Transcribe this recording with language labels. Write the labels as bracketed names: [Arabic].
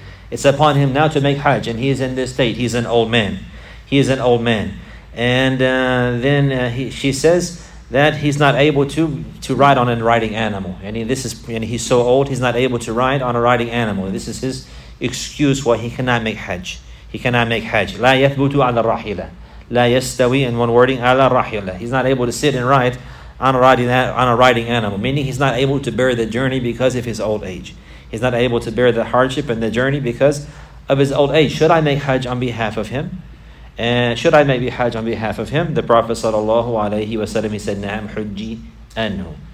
[English] It's upon him now to make Hajj, and he is in this state. He's an old man. He is an old man. And she says that he's not able to ride on a riding animal. And he's so old, he's not able to ride on a riding animal. This is his excuse why he cannot make Hajj. He cannot make Hajj. [Arabic] لا يثبت على الرحلة. لا يستوي, [English] in one wording, [Arabic] على الرحلة. [English] He's not able to sit and ride on a riding animal. Meaning he's not able to bear the journey because of his old age. He's not able to bear the hardship and the journey because of his old age. Should I make Hajj on behalf of him? Should I make Hajj on behalf of him? The Prophet sallallahu alayhi wa sallam, he said, [Arabic] "Na'am hujji anhu."